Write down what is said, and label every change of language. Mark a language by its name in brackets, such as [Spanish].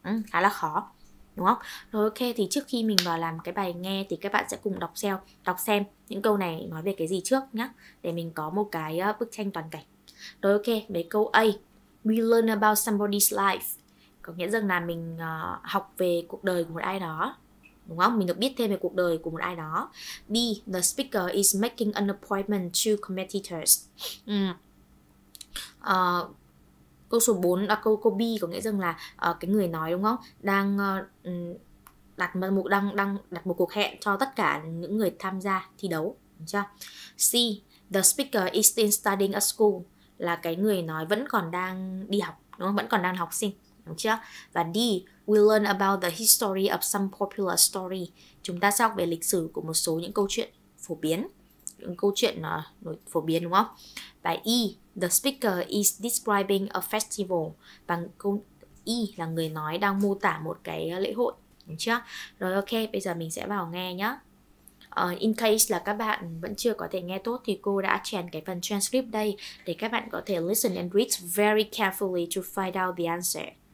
[Vietnamese] Khá là khó đúng không? Rồi ok, thì trước khi mình vào làm cái bài nghe thì các bạn sẽ cùng đọc xem những câu này nói về cái gì trước nhá, để mình có một cái bức tranh toàn cảnh. Rồi ok, về câu A, [English] we learn about somebody's life, [Vietnamese] có nghĩa rằng là mình học về cuộc đời của một ai đó, đúng không? Mình được biết thêm về cuộc đời của một ai đó. [English] B, the speaker is making an appointment to competitors. [Vietnamese] Câu số 4 là câu B, có nghĩa rằng là cái người nói đúng không? Đang đặt một cuộc hẹn cho tất cả những người tham gia thi đấu, đúng chưa? C, [English] the speaker is still studying at school, [Vietnamese] là cái người nói vẫn còn đang đi học, đúng không? Vẫn còn đang học sinh, đúng chưa? [English] Và D, we learn about the history of some popular story. [Vietnamese] Chúng ta sẽ học về lịch sử của một số những câu chuyện phổ biến. Những câu chuyện phổ biến đúng không? [English] Và E, the speaker is describing a festival. [Vietnamese] Và câu E là người nói đang mô tả một cái lễ hội. Đúng chưa? Rồi ok, bây giờ mình sẽ vào nghe nhé. In case là các bạn vẫn chưa có thể nghe tốt thì cô đã chèn cái phần transcript đây để các bạn có thể [English] listen and read very carefully to find out the answer.